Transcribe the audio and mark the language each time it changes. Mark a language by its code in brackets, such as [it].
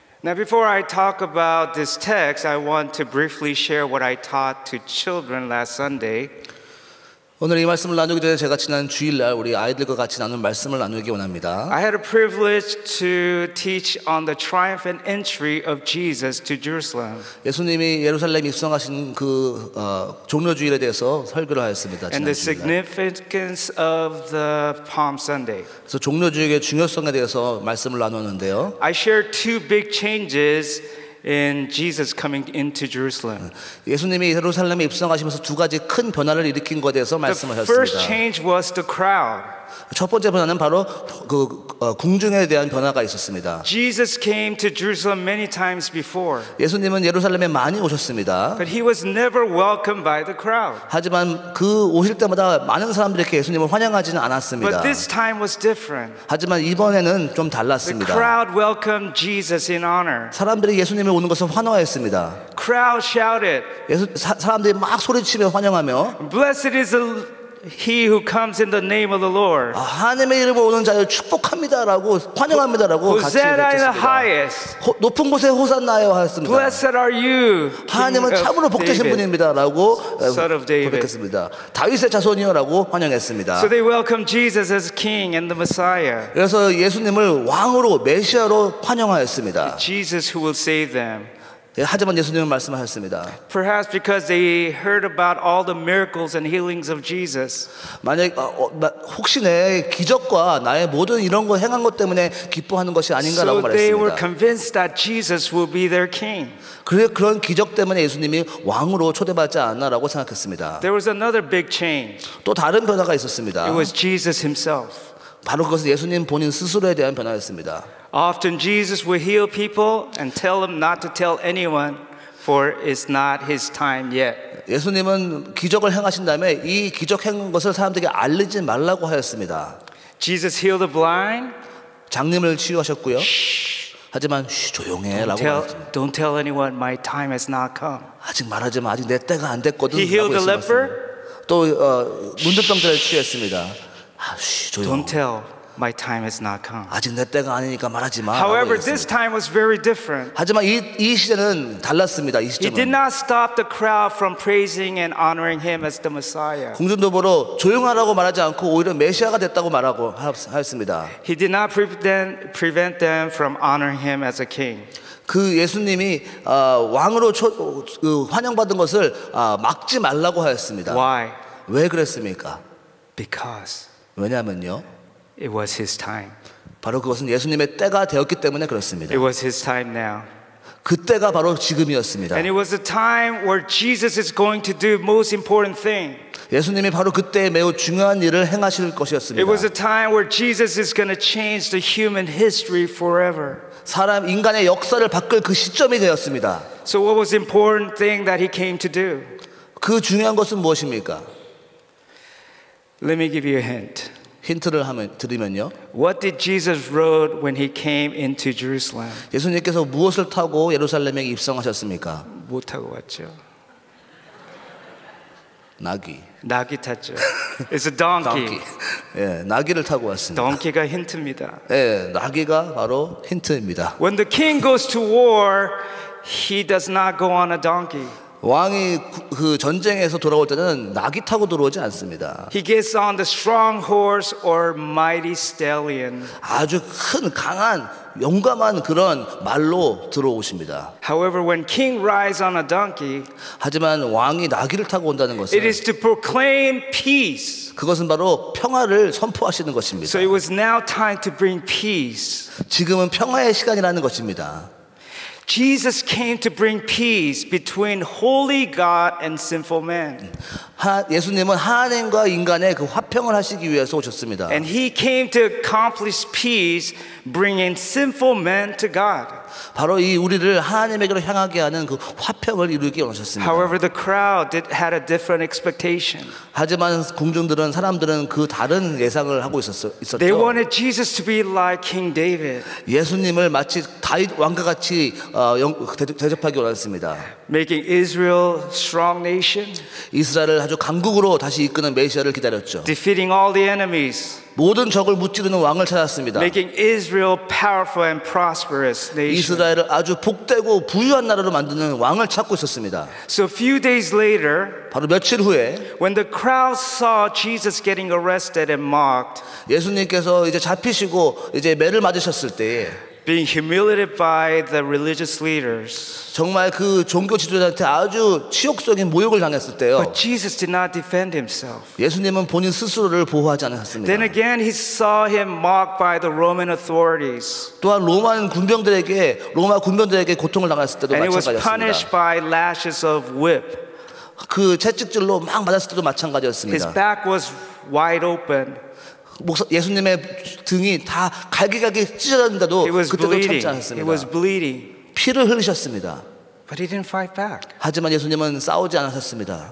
[en] Now, before I talk about this text, I want to briefly share what I taught to children last Sunday. [ko] 오늘 이 말씀을 나누기 전에 제가 지난 주일날 우리 아이들과 같이 나눈 말씀을 나누기 원합니다. [en] I had a privilege to teach on the triumphant entry of Jesus to Jerusalem. [ko] 예수님이 예루살렘 입성하신 그 종려 주일에 대해서 설교를 하였습니다. [en] And the significance of the Palm Sunday. [ko] 그래서 종려 주일의 중요성에 대해서 말씀을 나누었는데요. [en] I shared two big changes. In Jesus coming into Jerusalem. [ko] 예수님이 예루살렘에 입성하시면서 두 가지 큰 변화를 일으킨 것에 대해서 말씀하셨습니다. [en] The first change was the crowd. [ko] 첫 번째 변화는 바로 그 궁중에 대한 변화가 있었습니다. [en] Jesus came to Jerusalem many times before. [ko] 예수님은 예루살렘에 많이 오셨습니다. [en] But he was never welcomed by the crowd. [ko] 하지만 그 오실 때마다 많은 사람들이 이렇게 예수님을 환영하지는 않았습니다. [en] But this time was different. [ko] 하지만 이번에는 좀 달랐습니다. [en] The crowd welcomed Jesus in honor. [ko] 사람들이 예수님이 오는 것을 환호했습니다. [en] Crowd shouted. [ko] 사람들이 막 소리치며 환영하며 [en] Blessed is the He who comes in the name of the Lord. [ko] 아, 하나님의 이름으로 오는 자여 축복합니다라고 환영합니다라고 같이 외쳤습니다. [en] Highest. [ko] 높은 곳에 호산나여 하였습니다. [en] Blessed are you. [ko] 하나님은 참으로 복되신 [en] David. [ko] 분입니다라고 고백했습니다. 다윗의 자손이여라고 환영했습니다. [en] So they welcome Jesus as king and the Messiah. [ko] 그래서 예수님을 왕으로 메시아로 환영하였습니다. [en] Jesus who will save them. [ko] 하지만 예수님은 말씀하셨습니다. [en] Perhaps because they heard about all the miracles and healings of Jesus. [ko] 만약 혹시 내 기적과 나의 모든 이런 거 행한 것 때문에 기뻐하는 것이 아닌가라고 말했습니다. [en] So they were convinced that Jesus will be their king. [ko] 그런 기적 때문에 예수님이 왕으로 초대받지 않나라고 생각했습니다. [en] There was another big change. [ko] 또 다른 변화가 있었습니다. [en] It was Jesus himself. [ko] 바로 그것은 예수님 본인 스스로에 대한 변화였습니다. [en] Often Jesus would heal people and tell them not to tell anyone for it's not his time yet. [ko] 예수님은 기적을 행하신 다음에 이 기적 행한 것을 사람들에게 알리지 말라고 하였습니다. [en] Jesus healed the blind. [ko] 장님을 치유하셨고요. 하지만 쉬 조용해라고 하셨습니다. [en] Don't tell anyone my time has not come. [ko] 아직 말하지 마. 아직 내 때가 안 됐거든. [en] He healed the leper. [ko] 또 문둥병자를 치유했습니다. 쉬 조용. [en] Don't tell. My time has not come. [ko] 아직 내 때가 아니니까 말하지 마. [en] However, this time was very different. [ko] 하지만 이 시대는 달랐습니다. 이 시점은. [en] He did not stop the crowd from praising and honoring him as the Messiah. [ko] 공중도 보러 조용하라고 말하지 않고 오히려 메시아가 됐다고 말하고 하였습니다. [en] He did not prevent them from honoring him as a king. [ko] 그 예수님이 왕으로 환영받은 것을 막지 말라고 하였습니다. [en] Why? [ko] 왜 그랬습니까? [en] Because. [ko] 왜냐면요. [en] It was his time. [ko] 바로 그것은 예수님의 때가 되었기 때문에 그렇습니다. [en] It was his time now. [ko] 그 때가 바로 지금이었습니다. [en] And it was the time where Jesus is going to do most important thing. [ko] 예수님이 바로 그때 매우 중요한 일을 행하실 것이었습니다. [en] It was a time where Jesus is going to change the human history forever. [ko] 사람 인간의 역사를 바꿀 그 시점이 되었습니다. [en] So what was important thing that he came to do? [ko] 그 중요한 것은 무엇입니까? [en] Let me give you a hint. [ko] 힌트를 하면 드리면요. [en] What did Jesus rode when he came into Jerusalem? [ko] 예수님께서 무엇을 타고 예루살렘에 입성하셨습니까? 뭐 타고 왔죠? 나귀. 나귀 탔죠. [en] It's a donkey. [ko] 예, 나귀를 타고 왔습니다. 덩키가 힌트입니다. 예, 나귀가 바로 힌트입니다. [en] When the king goes to war, he does not go on a donkey. [ko] 왕이 그 전쟁에서 돌아올 때는 나귀 타고 들어오지 않습니다. [en] He gets on the strong horse or mighty stallion. [ko] 아주 큰 강한 용감한 그런 말로 들어오십니다. [en] However, when king rides on a donkey, [ko] 하지만 왕이 나귀를 타고 온다는 것은 [en] it is to proclaim peace. [ko] 그것은 바로 평화를 선포하시는 것입니다. [en] So it was now time to bring peace. [ko] 지금은 평화의 시간이라는 것입니다. [en] Jesus came to bring peace between holy God and sinful man. [ko] 예수님은 하나님과 인간의 그 화평을 하시기 위해서 오셨습니다. [en] And he came to accomplish peace bringing sinful man to God. [ko] 바로 이 우리를 하나님에게로 향하게 하는 그 화평을 이루기 원하셨습니다. [en] However, the crowd had a different expectation. [ko] 하지만 공중들은 사람들은 그 다른 예상을 하고 있었죠. [en] They wanted Jesus to be like King David. [ko] 예수님을 마치 다윗 왕과 같이 대접하기 원했습니다. [en] Making Israel strong nation. [ko] 이스라엘을 아주 강국으로 다시 이끄는 메시아를 기다렸죠. [en] Defeating all the enemies. [ko] 모든 적을 무찌르는 왕을 찾았습니다. [en] Making Israel powerful and prosperous nation. [ko] 이스라엘을 아주 복되고 부유한 나라로 만드는 왕을 찾고 있었습니다. [en] So a few days later, [ko] 바로 며칠 후에, [en] when the crowd saw Jesus getting arrested and mocked, [ko] 예수님께서 이제 잡히시고 이제 매를 맞으셨을 때, [en] being humiliated by the religious leaders, [ko] 정말 그 종교 지도자한테 아주 치욕적인 모욕을 당했을 때요. [en] But Jesus did not defend himself. [ko] 예수님은 본인 스스로를 보호하지 않았습니다. [en] Then again, he saw him mocked by the Roman authorities. [ko] 또한 로마 군병들에게 고통을 당했을 때도 [en] and [ko] 마찬가지였습니다. [en] And he was punished by lashes of whip. [ko] 그 채찍질로 막 맞았을 때도 마찬가지였습니다. [en] His back was wide open. [ko] 예수님의 등이 다 갈기갈기 찢어졌는데도 그때도 참지 않았습니다. [en] He was bleeding. [ko] 피를 흘리셨습니다. [en] But he didn't fight back. [ko] 하지만 예수님은 싸우지 않으셨습니다.